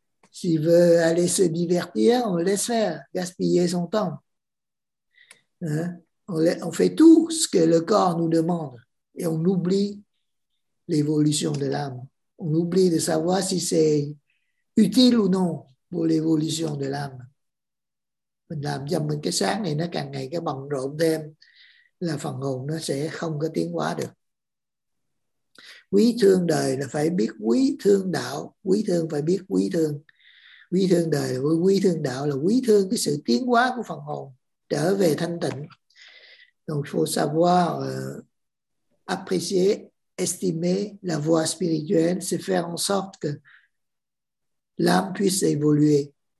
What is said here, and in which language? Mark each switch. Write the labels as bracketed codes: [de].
[fr] S'il veut aller se divertir, on le laisse faire, gaspiller son temps. Hein? On fait tout ce que le corps nous demande et on oublie l'évolution de l'âme. On oublie de savoir si c'est utile ou non pour l'évolution de l'âme. [vi] Mình làm cho mình cái xác này nó càng ngày cái bận rộn thêm là phần hồn nó sẽ không có tiến hóa được. Quý thương đời là phải biết quý thương đạo, quý thương phải biết quý thương. Quý thương đời với quý thương đạo là quý thương cái sự tiến hóa của phần hồn trở về thanh tịnh. [fr] Donc faut savoir apprécier, estimer la voie spirituelle, c'est faire en sorte que l'âme puisse évoluer.